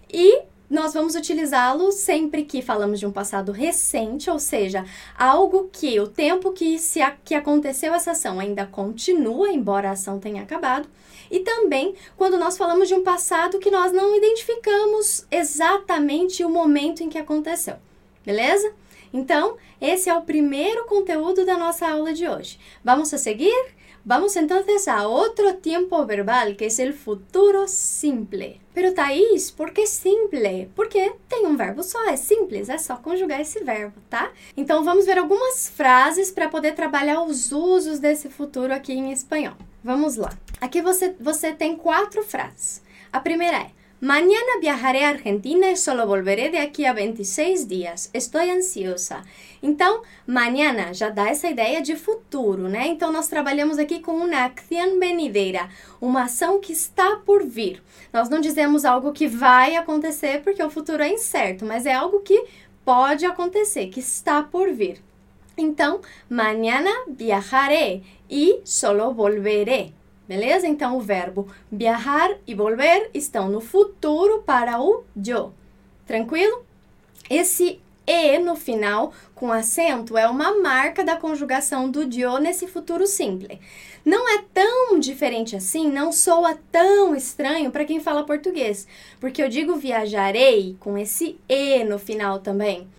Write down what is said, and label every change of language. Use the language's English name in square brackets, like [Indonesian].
[Portuguese] E nós vamos utilizá-lo sempre que falamos de um passado recente, ou seja, algo que o tempo que se a, que aconteceu essa ação ainda continua, embora a ação tenha acabado. E também quando nós falamos de um passado que nós não identificamos exatamente o momento em que aconteceu, beleza? Então, esse é o primeiro conteúdo da nossa aula de hoje. Vamos a seguir? [Spanish] Vamos entonces a otro tiempo verbal, que es el futuro simple. Pero Thaís, ¿por qué simple? [Portuguese] Porque tem um verbo só, é simples, é só conjugar esse verbo, tá? Então vamos ver algumas frases para poder trabalhar os usos desse futuro aqui em espanhol. Vamos lá. Aqui você tem quatro frases. A primeira é: [Spanish] Mañana viajaré a Argentina y solo volveré de aquí a 26 días. Estoy ansiosa. [Portuguese] Então, mañana já dá essa ideia de futuro, né? Então, nós trabalhamos aqui com [Spanish] una acción venidera, [Portuguese] uma ação que está por vir. Nós não dizemos algo que vai acontecer porque o futuro é incerto, mas é algo que pode acontecer, que está por vir. Então, [Spanish] mañana viajaré y solo volveré. [Portuguese] Beleza? Então, o verbo viajar e volver estão no futuro para o yo. Tranquilo? Esse e no final, com acento, é uma marca da conjugação do yo nesse futuro simple. Não é tão diferente assim, não soa tão estranho para quem fala português, porque eu digo viajarei com esse e no final também.